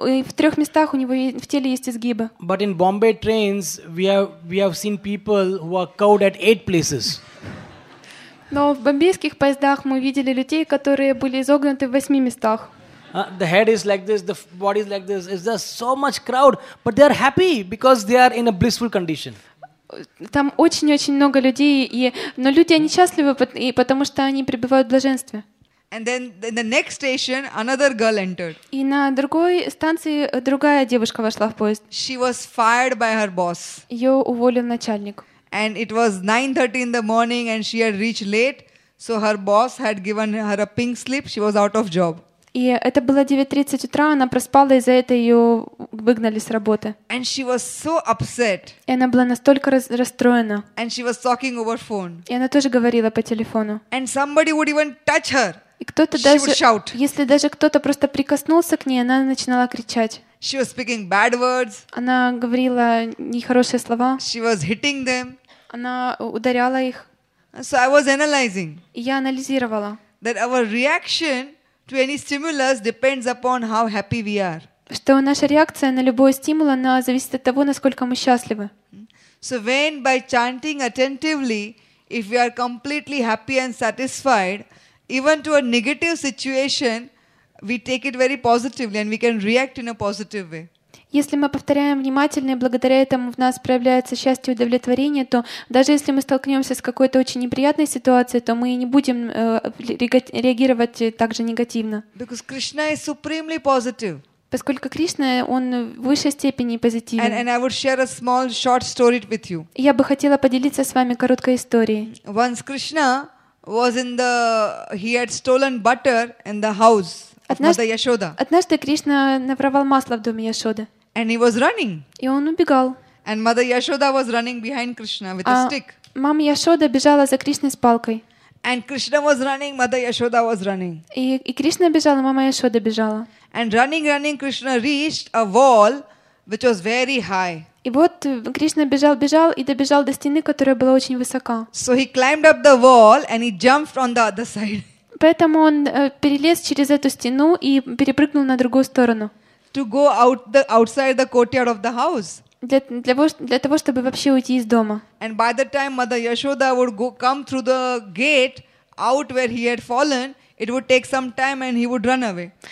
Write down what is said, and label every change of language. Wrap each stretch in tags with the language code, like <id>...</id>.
<ru>И в трех местах у него в теле есть изгибы.</ru> <en>But in Bombay trains, we have seen people who are curved at 8 places.</en> <ru>Но в бомбейских поездах мы видели людей, которые были изогнуты в 8 местах.</ru> <en>The head is like this, the body is like this. It's just so much crowd, but they are happy because they are in a blissful condition.</en> <ru>Там очень-очень много людей, но люди они счастливы, потому что они пребывают в блаженстве.</ru> <en>And then in the next station, another girl entered.</en> <ru>И на другой станции другая девушка вошла в поезд.</ru> <en>She was fired by her boss.</en> <ru>Ее уволил начальник.</ru> <en>And it was 9:30 in the morning, and she had reached late, so her boss had given her a pink slip. She was out of job.</en> <ru>И это было 9:30 утра, она проспала, и за это ее выгнали с работы.</ru> <en>And she was so upset.</en> <ru>И она была настолько расстроена.</ru> <en>And she was talking over phone.</en> <ru>И она тоже говорила по телефону.</ru> <en>And somebody would even touch her.</en> <ru>И кто-то даже, если даже кто-то просто прикоснулся к ней, она начинала кричать.</ru> <en>She was speaking bad words.</en> <ru>Она говорила нехорошие слова.</ru> <en>She was hitting them.</en> <ru>Она ударяла их.</ru> <en>So I was analyzing.</en> <ru>И я анализировала.</ru> <en>That our reaction to any stimulus depends upon how happy we are.</en> <ru>Что наша реакция на любой стимул, она зависит от того, насколько мы счастливы.</ru> <en>So when by chanting attentively, if we are completely happy and satisfied, even to a negative situation, we take it very positively and we can react in a positive way.</en> <ru>Если мы повторяем внимательно, и благодаря этому в нас проявляется счастье и удовлетворение, то даже если мы столкнемся с какой-то очень неприятной ситуацией, то мы не будем реагировать так же негативно.</ru> <en>Because Krishna is supremely positive.</en> <ru>Поскольку Кришна, он в высшей степени позитивен.</ru> <en>And I would share a small short story with you.</en> <ru>Я бы хотела поделиться с вами короткой историей.</ru> <en>Once Krishna was in the he had stolen butter in the house.</en> <ru>Однажды Кришна наворовал масло в доме Яшоды.</ru> <en>And he was running.</en> <ru>И он убегал.</ru> <en>And mother Yashoda was running behind Krishna with a stick.</en> <ru>Мама Яшода бежала за Кришной с палкой.</ru> <en>And Krishna was running, mother Yashoda was running.</en> <ru>И Кришна бежал, мама Яшода бежала.</ru> <en>And running, Krishna reached a wall which was very high.</en> <ru>И вот Кришна бежал и добежал до стены, которая была очень высока.</ru> <en>So he climbed up the wall and he jumped on the other side.</en> <ru>Поэтому он перелез через эту стену и перепрыгнул на другую сторону.</ru> <en>To go out the outside the courtyard of the house.</en> <ru>Для того, чтобы вообще уйти из дома.</ru> <en>And by the time Mother Yashoda would go come through the gate out where he had fallen, it would take some time and he would run away.</en>